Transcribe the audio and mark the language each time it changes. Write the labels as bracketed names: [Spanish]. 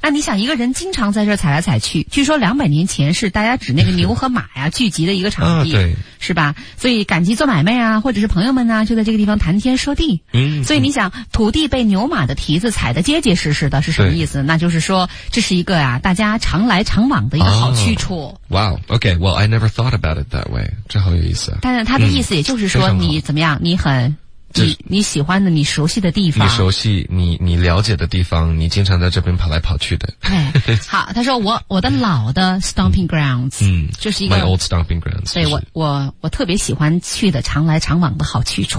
[Chinese] 那你想一个人经常在这踩来踩去据说200年前是大家指那个牛和马呀聚集的一个场地。对。是吧所以赶集做买卖啊或者是朋友们啊就在这个地方谈天说地。所以你想土地被牛马的蹄子踩得结结实实的是什么意思那就是说这是一个啊大家常来常往的一个好去处。 [English] Wow, okay, well, I never thought about it that way. [Chinese] 这好有意思。但是他的意思也就是说你怎么样你很你喜欢的你熟悉的地方你熟悉你了解的地方你经常在这边跑来跑去的对好他说我的老的 [English] stomping grounds [Chinese] 就是一个 [English] my old stomping grounds [Chinese] 对我特别喜欢去的常来常往的好去处